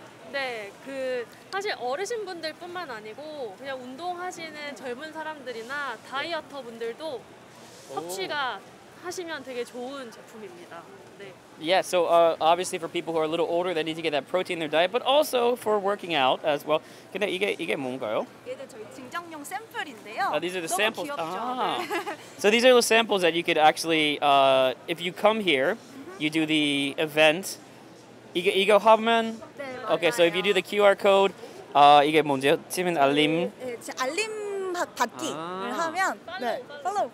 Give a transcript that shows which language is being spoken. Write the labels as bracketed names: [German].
[Korean] 네, 그 사실 어르신분들뿐만 아니고 그냥 운동하시는 젊은 사람들이나 다이어터 분들도 섭취가 하시면 되게 좋은 제품입니다. 네. [English] Yeah, so obviously for people who are a little older, they need to get that protein in their diet, but also for working out as well. [Korean] 근데 이게 뭔가요? 얘들 저희 증정용 샘플인데요. [English] These are the samples. [Korean] 너무 귀엽죠. [English] So these are the samples that you could actually, if you come here, you do the event. [Korean] 이거 하면 네, 맞아요. [English] Okay, so if you do the QR code, [Korean] 이게 뭔지요? 팀은 알림. 네, 알림 받기를 하면, 네, follow.